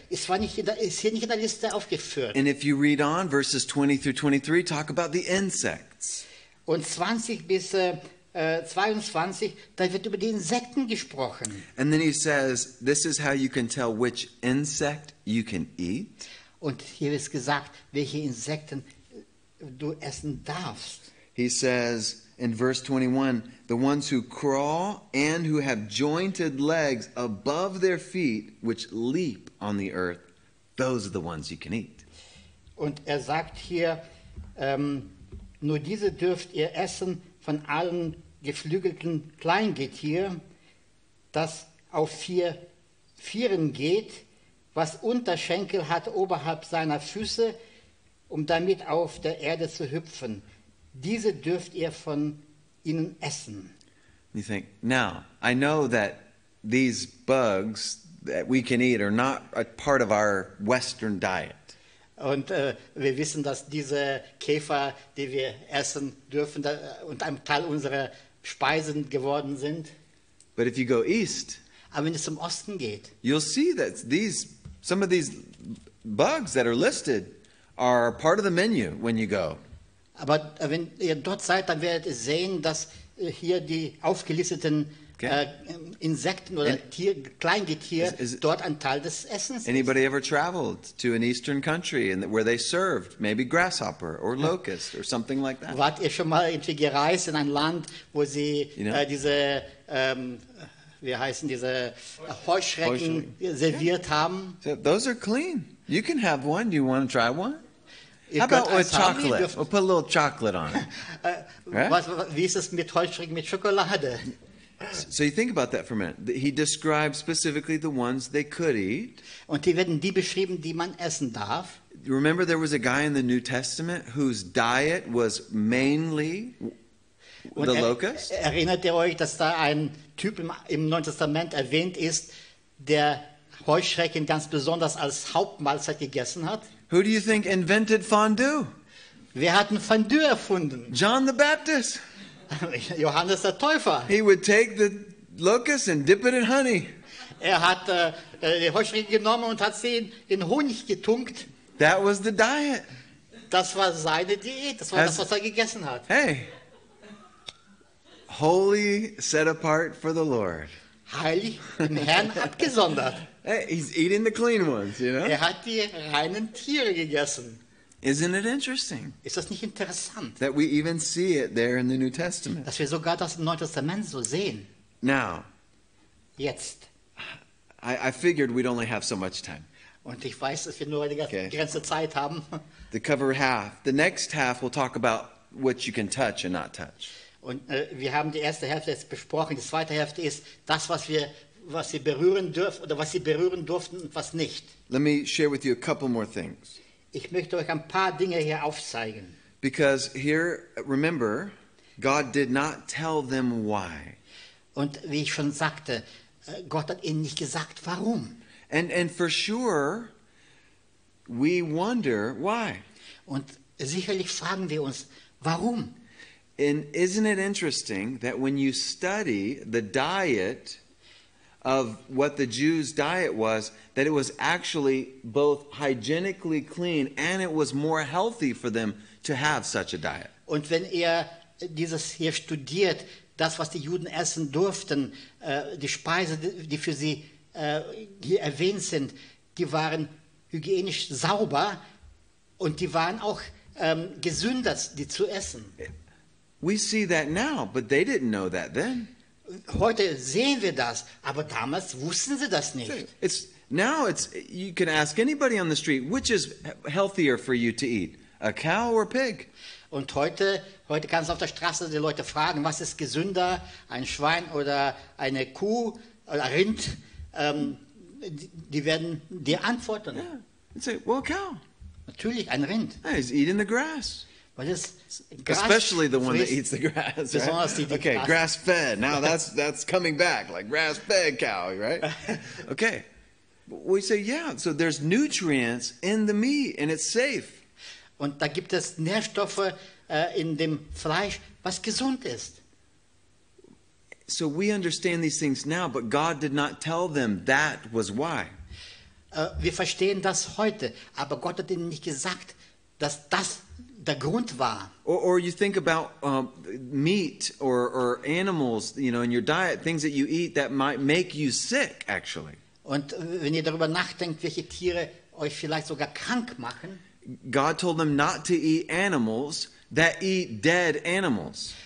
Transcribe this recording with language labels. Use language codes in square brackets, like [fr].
[de] Es war nicht in der, ist hier nicht in der Liste aufgeführt. [en] And if you read on, verses 20 through 23, talk about the insects. [de] Und 20 bis 22, da wird über die Insekten gesprochen. [en] And then he says, this is how you can tell which insect you can eat. [de] Und hier ist gesagt, welche Insekten du essen darfst. [en] He says in verse 21, the ones who crawl and who have jointed legs above their feet, which leap on the earth, those are the ones you can eat. [de] Und sagt hier, nur diese dürft ihr essen von allen geflügelten Kleingetier, das auf vier Vieren geht, was Unterschenkel hat oberhalb seiner Füße, um damit auf der Erde zu hüpfen. Diese dürft ihr von ihnen essen. [en] You think, now, I know that these bugs that we can eat are not a part of our Western diet. [de] Und wir wissen, dass diese Käfer, die wir essen dürfen, da, und ein Teil unserer Speisen geworden sind. [en] But if you go east, [de] aber wenn es zum Osten geht, [en] you'll see that these, some of these bugs that are listed are part of the menu when you go. [de] Aber wenn ihr dort seid, dann werdet ihr sehen, dass hier die aufgelisteten okay. Insekten oder Tier, Kleingetier dort ein Teil des Essens ist. [en] Anybody ever traveled to an eastern country and where they served maybe grasshopper or locust or something like that? [de] Wart ihr schon mal irgendwie gereist in ein Land, wo sie diese, wie heißen diese, Heuschrecken serviert haben? [en] So those are clean. You can have one. Do you want to try one? How about with chocolate? We'll put a little chocolate on it. [de] Wie ist es mit Heuschrecken mit Schokolade? [en] So you think about that for a minute. He describes specifically the ones they could eat. [de] Und die werden die beschrieben, die man essen darf. [en] Remember there was a guy in the New Testament whose diet was mainly the locust? [de] Erinnert ihr euch, dass da ein Typ im Neuen Testament erwähnt ist, der Heuschrecken ganz besonders als Hauptmahlzeit gegessen hat? [en] Who do you think invented fondue? [de] Wer hat ein Fondue erfunden? [en] John the Baptist. [de] Johannes der Täufer. [en] He would take the locust and dip it in honey. [de] Er hat die Heuschrecken genommen und hat sie in Honig getunkt. [en] That was the diet. [de] Das war seine Diät. Das war das, was er gegessen hat. [en] Hey, holy, set apart for the Lord. [de] Heilig, den Herrn abgesondert. [en] Hey, he's eating the clean ones, you know? [de] Er hat die reinen Tiere gegessen. [en] Isn't it interesting? [de] Ist das nicht interessant? [en] That we even see it there in the New Testament. [de] Dass wir sogar das im Neuen Testament so sehen. [en] Now. [de] Jetzt. [en] I figured we'd only have so much time. [de] Und ich weiß, dass wir nur eine ganz begrenzte Zeit haben. [en] The cover half. The next half we'll talk about what you can touch and not touch. [de] Und wir haben die erste Hälfte jetzt besprochen. Die zweite Hälfte ist das, was sie berühren dürfen oder was sie berühren durften und was nicht. [en] Let me share with you a couple more things. [de] Ich möchte euch ein paar Dinge hier aufzeigen. [en] Because here, remember, God did not tell them why. [de] Und wie ich schon sagte, Gott hat ihnen nicht gesagt, warum. [en] And for sure, we wonder why. [de] Und sicherlich fragen wir uns, warum. [en] And isn't it interesting that when you study the diet of what the Jews' diet was, that it was actually both hygienically clean and it was more healthy for them to have such a diet. [de] Und wenn er dieses hier studiert, das, was die Juden essen durften, die Speise, die für sie hier erwähnt sind, die waren hygienisch sauber und die waren auch gesünder, die zu essen. [en] We see that now, but they didn't know that then. [de] Heute sehen wir das, aber damals wussten sie das nicht. [en] Now you can ask anybody on the street, which is healthier for you to eat, a cow or a pig? [de] Und heute kannst du auf der Straße die Leute fragen, was ist gesünder, ein Schwein oder eine Kuh oder ein Rind? Die werden dir antworten. [en] Yeah. Say, well, a cow. [de] Natürlich, ein Rind. [en] Yeah, he's eating the grass. Especially the one that eats the grass, right? Okay, grass-fed. Now that's coming back, like grass-fed cow, right? Okay. We say, yeah, so there's nutrients in the meat, and it's safe. [de] Und da gibt es Nährstoffe in dem Fleisch, was gesund ist. [en] So we understand these things now, but God did not tell them that was why. [de] Wir verstehen das heute, aber Gott hat ihnen nicht gesagt, dass das der Grund war. [en] Or you think about meat or animals, you know, in your diet, things that you eat that might make you sick, actually. [de] Und wenn ihr darüber nachdenkt, welche Tiere euch vielleicht sogar krank machen. [en] God told them not to eat animals that eat dead animals.